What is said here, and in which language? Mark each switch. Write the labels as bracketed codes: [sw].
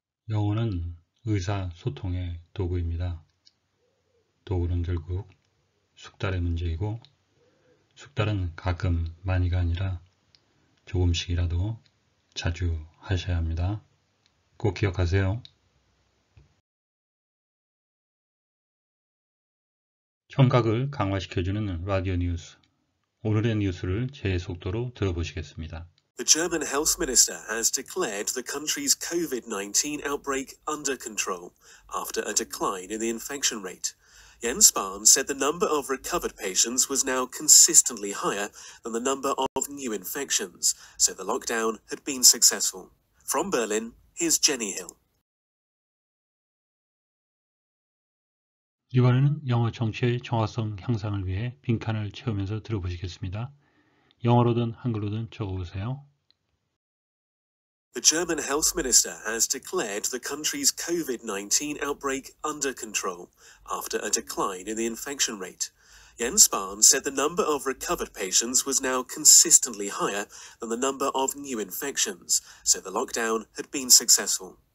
[ko] 영어는 의사소통의 도구입니다. 도구는 결국 숙달의 문제이고, 숙달은 가끔 많이가 아니라 조금씩이라도 자주 하셔야 합니다. 꼭 기억하세요. 청각을 강화시켜주는 라디오 뉴스. 오늘의 뉴스를 제 속도로 들어보시겠습니다. [en] The German health minister has declared the country's COVID-19 outbreak under control after a decline in the infection rate. Jens Spahn said the number of recovered patients was now consistently higher than the number of new infections, so the lockdown had been successful. From Berlin, here's Jenny Hill. [ko] 이번에는 영어 정체의 정확성 향상을 위해 빈칸을 채우면서 들어보시겠습니다. 영어로든 한글로든 적어보세요. [en] The German health minister has declared the country's COVID-19 outbreak under control after a decline in the infection rate. Jens Spahn said the number of recovered patients was now consistently higher than the number of new infections, so the lockdown had been successful.